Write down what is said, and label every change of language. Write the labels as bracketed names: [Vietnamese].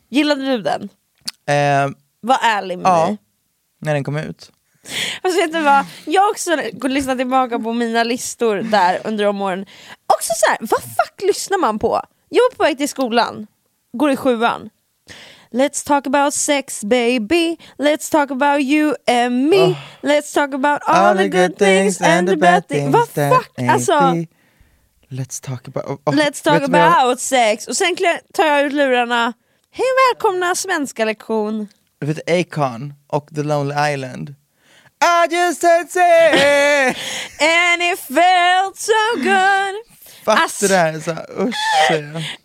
[Swedish] Gillade du den? Var ärlig med mig. När den kom ut. Alltså, vet du vad? Jag också går lyssna tillbaka på mina listor där under de åren. Också så här, vad fuck lyssnar man på? Jag var på väg till skolan, går i 7:an. [English] Let's talk about sex, baby. Let's talk about you and me. Let's talk about all the good things and the bad things. [Swedish] Vad fuck, alltså. [English] Let's talk about sex. [Swedish] Och sen tar jag ut lurarna. Hej och välkomna svenska lektion. Vet du, Akon och The Lonely Island. [English] I just had sex and it felt so good. [Swedish] fattar det här, så här, usch.